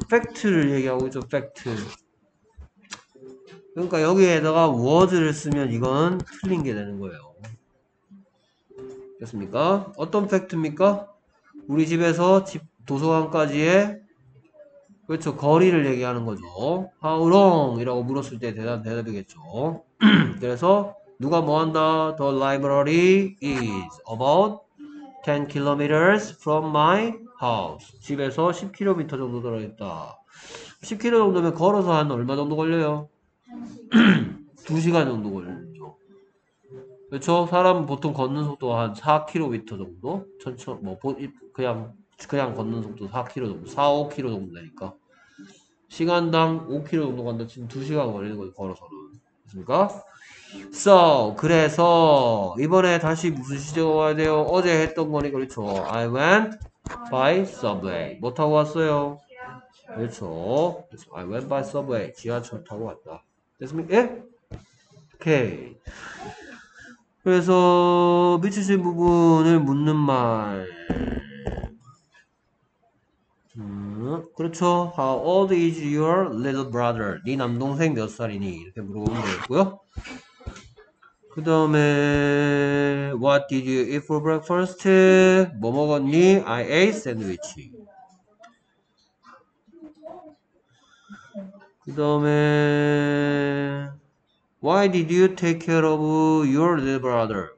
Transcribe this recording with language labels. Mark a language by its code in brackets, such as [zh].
[ko] 팩트를 얘기하고 있죠. 팩트. 그러니까 여기에다가 was를 쓰면 이건 틀린 게 되는 거예요. 됐습니까? 어떤 팩트입니까? 우리 집에서 도서관까지의 그렇죠. 거리를 얘기하는 거죠. [en] How long? [ko] 이라고 물었을 때 대답이겠죠. 그래서 누가 뭐 한다? [en] The library is about 10 km from my house. [ko] 집에서 10km 정도 떨어졌다. 10km 정도면 걸어서 한 얼마 정도 걸려요? 2시간 정도 걸리죠. 그렇죠? 사람 보통 걷는 속도 한 4km 정도? 천천, 뭐, 그냥 걷는 속도 4km 정도, 4, 5km 정도 되니까. 시간당 5km 정도 간다. 지금 2시간 걸리는 거죠, 걸어서는. 됐습니까? So, 그래서, 이번에 다시 무슨 시제가 와야 돼요? 어제 했던 거니까, 그렇죠. [en] I went by subway. [ko] 뭐 타고 왔어요? 그렇죠. [en] I went by subway. [ko] 지하철 타고 왔다. 됐습니까? 예? 오케이. 그래서, 미치신 부분을 묻는 말. 그렇죠. [en] How old is your little brother? [ko] 네 남동생 몇 살이니? 이렇게 물어보면 되겠고요. 그 다음에, [en] What did you eat for breakfast? [ko] 뭐 먹었니? [en] I ate sandwich. [ko] 그 다음에, [en] Why did you take care of your little brother?